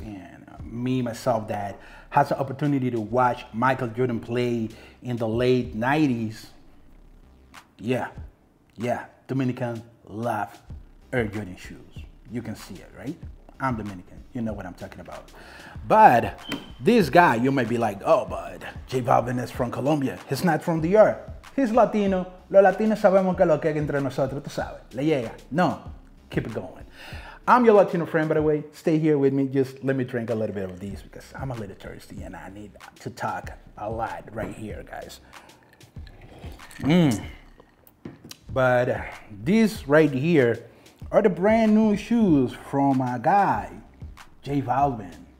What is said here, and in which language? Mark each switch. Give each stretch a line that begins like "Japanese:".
English: And me, myself, that has the opportunity to watch Michael Jordan play in the late 90s. Yeah, yeah, Dominican love Air Jordan shoes. You can see it, right? I'm Dominican, you know what I'm talking about. But this guy, you might be like, oh, but J Balvin is from Colombia. He's not from the earth. He's Latino.
Spanish: Los Latinos sabemos que lo que hay entre nosotros, tú sabes. Le llega.
English: No, keep it going. I'm your Latino friend, by the way. Stay here with me. Just let me drink a little bit of these because I'm a little thirsty and I need to talk a lot right here, guys. But these right here are the brand new shoes from my guy, J Balvin.